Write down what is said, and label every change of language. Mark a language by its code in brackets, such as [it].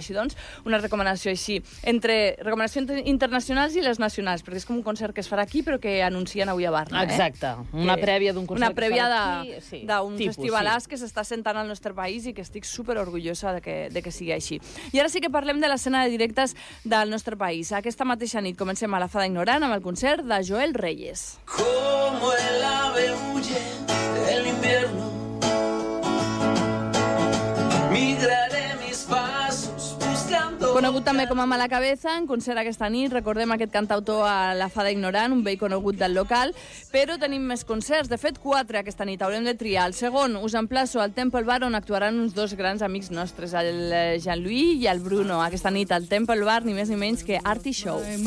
[ca] Així doncs, una recomanació així, entre recomanacions internacionals i les nacionals, perquè és com un concert que es farà aquí però que anuncien avui a Barna. Exacte, una prèvia d'un concert. Una prèvia d'un festivalàs sí, que s'està sentant al nostre país i que estic superorgullosa de que sigui així. I ara sí que parlem de l'escena de directes del nostre país. Aquesta mateixa nit comencem a la Fada Ignorant amb el concert de Joel Reyes. [es] Como el ave huye del invierno, migraré mis pasos buscando... [ca] Conegut també com a Mala Cabeza, en concert aquesta nit, recordem aquest cantautor a la Fada Ignorant, un vell conegut del local, però tenim més concerts, de fet, quatre aquesta nit, haurem de triar. El segon, us emplaço al Temple Bar, on actuaran uns dos grans amics nostres, el Jean-Louis i el Bruno. Aquesta nit, al Temple Bar, ni més ni menys que Arty Show.